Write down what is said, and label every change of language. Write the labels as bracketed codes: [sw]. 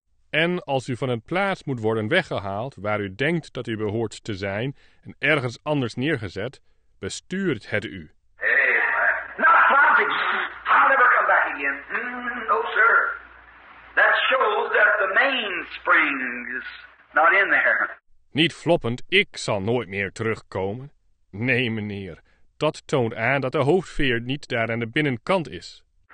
[nl] En als u van een plaats moet worden weggehaald waar u denkt dat u behoort te zijn en ergens anders neergezet, bestuurt het u. [en] Hey, not planting. I'll never come back again. No, sir. That shows that the mainspring is not in there. [nl] Niet floppend, ik zal nooit meer terugkomen. Nee, meneer, dat toont aan dat de hoofdveer niet daar aan de binnenkant is.